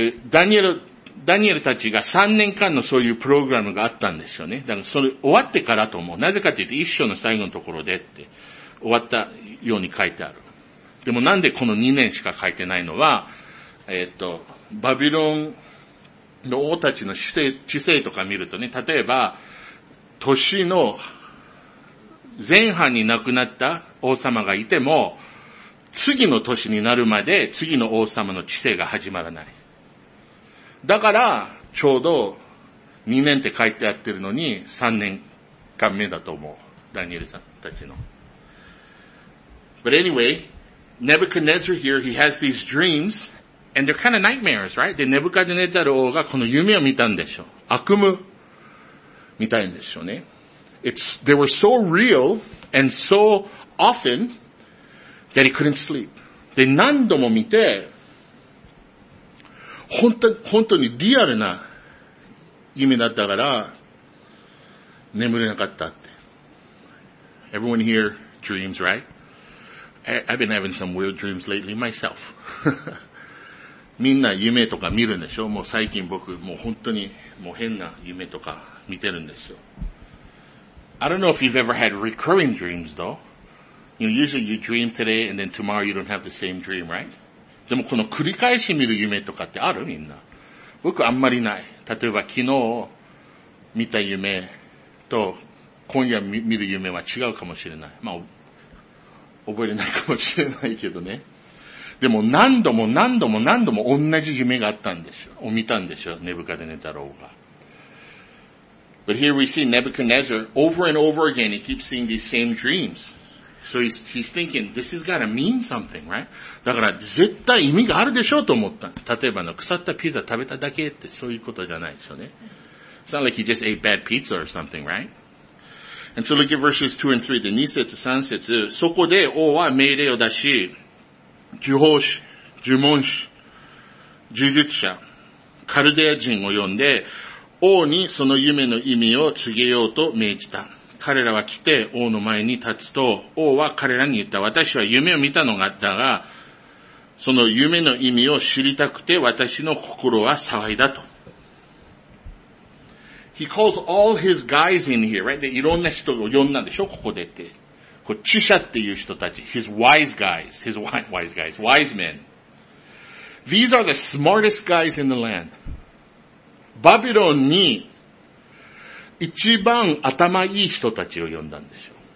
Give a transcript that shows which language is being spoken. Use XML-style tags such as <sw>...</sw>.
<ja>ダニエルたちが3年間のそういうプログラムがあったんですよね。だからそれ終わってからと思う。なぜかというと一章の最後のところでって。終わったように書いてある。でもなんでこの2年しか書いてないのは、バビロンの王たちの治世とか見るとね、例えば、年の前半に亡くなった王様がいても、次の年になるまで次の王様の治世が始まらない。だから、ちょうど2年って書いてあってるのに3年間目だと思う。ダニエルさんたちの。</ja> <en>But anyway, Nebuchadnezzar here, he has these dreams, And they're kind of nightmares, right?</en> <ja>で、ネブカデネザル王がこの夢を見たんでしょう。悪夢見たいんでしょうね。</ja> <en>They were so real and so often that he couldn't sleep.</en> <ja>で、何度も見て、本当にリアルな夢だったから、眠れなかったって。</ja> <en>Everyone here dreams, right? I've been having some weird dreams lately myself.</en> <ja>みんな夢とか見るんでしょ？もう最近僕もう本当にもう変な夢とか見てるんですよ。</ja> <en>I don't know if you've ever had recurring dreams though. You know, usually you dream today and then tomorrow you don't have the same dream, right?</en> <ja>でもこの繰り返し見る夢とかってある？みんな。僕あんまりない。例えば昨日見た夢と今夜見る夢は違うかもしれない。まあ、覚えれないかもしれないけどね。でも何度も何度も何度も同じ夢があったんですよ。見たんですよ。ネブカデネザル王が。</ja> <en>But here we see Nebuchadnezzar over and over again. He keeps seeing these same dreams. So he's thinking, this has got to mean something, right?</en> <ja>だから絶対意味があるでしょうと思った。例えばの腐ったピザ食べただけってそういうことじゃないですよね。</ja> <en>It's not like he just ate bad pizza or something, right? And so look at verses 2 and 3, the 2節、3節。</en> <ja>そこで王は命令を出し、呪法師、呪文師、呪術者、カルデア人を呼んで、王にその夢の意味を告げようと命じた。彼らは来て王の前に立つと、王は彼らに言った。私は夢を見たのだが、その夢の意味を知りたくて私の心は騒いだと。</ja> <en>He calls all his guys in here, right?</en> <ja>で、いろんな人を呼んだんでしょ？ここでって。こう、知者っていう人たち。</ja> <en>His wise guys. His wise guys. Wise men. These are the smartest guys in the land.</en> <ja>バビロンに一番頭いい人たちを呼んだんでしょ。</ja>